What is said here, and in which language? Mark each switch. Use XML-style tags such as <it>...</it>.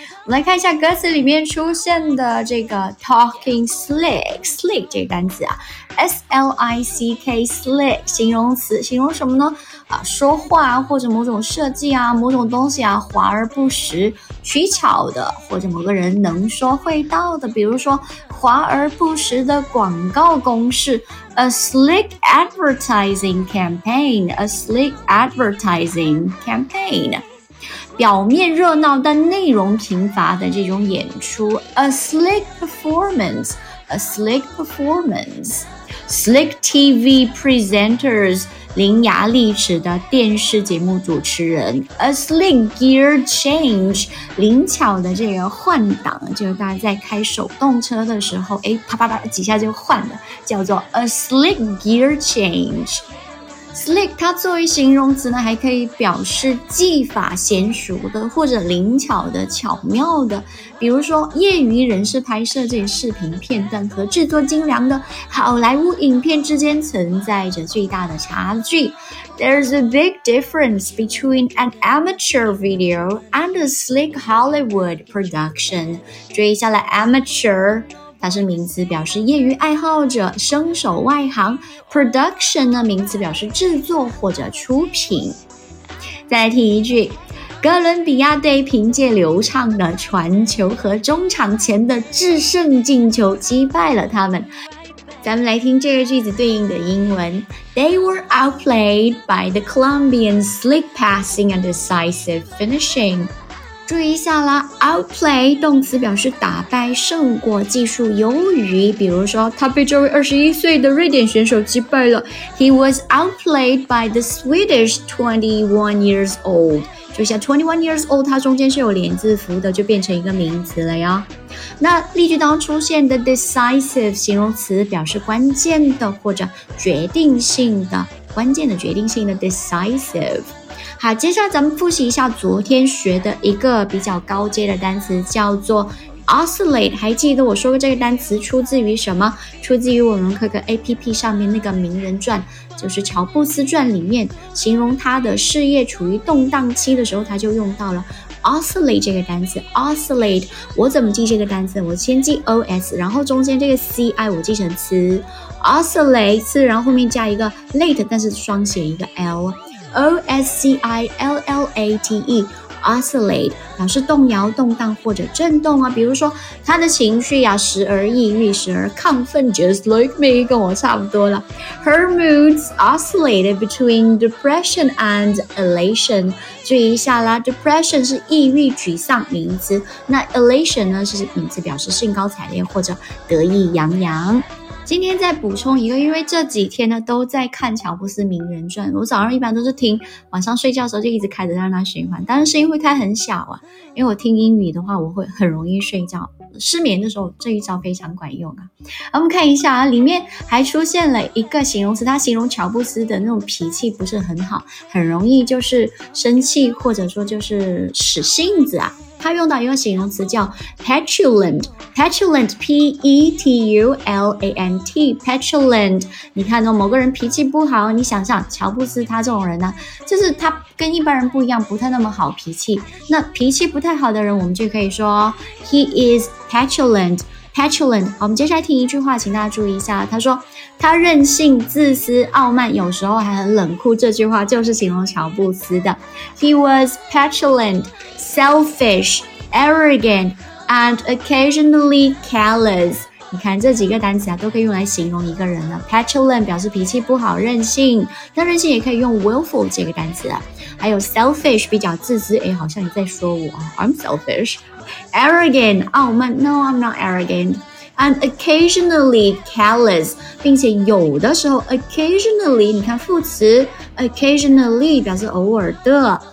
<zh>我们来看一下歌词里面出现的这个 Talking Slick Slick 这个单词啊，S-L-I-C-K Slick 形容词，形容什么呢？说话或者某种设计啊，某种东西啊，华而不实，取巧的，或者某个人能说会道的。比如说华而不实的广告公式，</zh> <en>A slick advertising campaign， A slick advertising campaign，</en> <zh>表面热闹但内容贫乏的这种演出，</zh> <en>A slick performance， A slick performance。 Slick TV presenters</en> <zh>伶牙俐齿的电视节目主持人</zh> <en>A slick gear change</en> <zh>灵巧的这个换挡，就大家在开手动车的时候，哎，啪啪啪几下就换了，叫做</zh> <en>A slick gear change。</en> <zh>Slick 它作为形容词呢，还可以表示技法娴熟的或者灵巧的巧妙的，比如说业余人士拍摄这些视频片段和制作精良的好莱坞影片之间存在着巨大的差距。</zh> <en>There's a big difference between an amateur video and a slick Hollywood production.</en> <zh>注意一下了， amateur它是名词，表示业余爱好者、生手外行。 Production 呢，名词表示制作或者出品。再来听一句，哥伦比亚队凭借流畅的传球和中场前的制胜进球击败了他们。咱们来听这个句子对应的英文</zh> <en>：They were outplayed by the Colombian slick passing and decisive finishing.</en> <zh>注意一下啦， outplay 动词表示打败、胜过、技术优于，比如说他被这位21岁的瑞典选手击败了。</zh> <en>He was outplayed by the Swedish 21 years old.</en> <zh>注意一下 21 years old 它中间是有连字符的，就变成一个名词了呀。那例句当出现的 decisive 形容词表示关键的或者决定性的，关键的决定性的 decisive。好，接下来咱们复习一下昨天学的一个比较高阶的单词，叫做 oscillate。还记得我说过这个单词出自于什么？出自于我们可可 APP 上面那个名人传，就是乔布斯传里面，形容他的事业处于动荡期的时候，他就用到了 oscillate 这个单词。 oscillate 我怎么记这个单词？我先记 os， 然后中间这个 ci 我记成词 oscillate， 然后后面加一个 late， 但是双写一个 lOscillate, oscillate 表示动摇、动荡或者震动啊。比如说他的情绪啊，时而抑郁，时而亢奋 ，</zh> <en>just like me，</en> <zh>跟我差不多了。</zh> <en>Her moods oscillated between depression and elation。</en> <zh>注意一下啦 ，depression 是抑郁、沮丧名词，那 elation 呢是名词，表示兴高采烈或者得意洋洋。今天再补充一个，因为这几天呢都在看乔布斯名人传，我早上一般都是听，晚上睡觉的时候就一直开着让它循环，但是声音会开很小啊，因为我听英语的话我会很容易睡觉，失眠的时候这一招非常管用啊。我们看一下啊，里面还出现了一个形容词，它形容乔布斯的那种脾气不是很好，很容易就是生气或者说就是使性子啊。他用到一个形容词叫 petulant， P-E-T-U-L-A-N-T， petulant。你看到某个人脾气不好，你想想乔布斯他这种人呢，就是他跟一般人不一样，不太那么好脾气，那脾气不太好的人我们就可以说</zh> <en>he is petulant。</en> <zh>petulant 我们接下来听一句话，请大家注意一下，他说他任性、自私、傲慢，有时候还很冷酷，这句话就是形容乔布斯的。</zh> <en>He was petulantselfish, arrogant, and occasionally careless.</en> <zh>你看这几个单词啊，都可以用来形容一个人了。Petulant 表示脾气不好、任性，那任性也可以用 willful 这个单词啊。还有 selfish 比较自私，哎，好像你在说我啊。</zh> <en>I'm selfish. Arrogant</en> <zh>傲慢</zh> <en>，No, I'm not arrogant. And occasionally careless，</en> <zh>并且有的时候</zh> <en>occasionally，</en> <zh>你看副词</zh> <en>occasionally</en> <zh>表示偶尔的。</zh>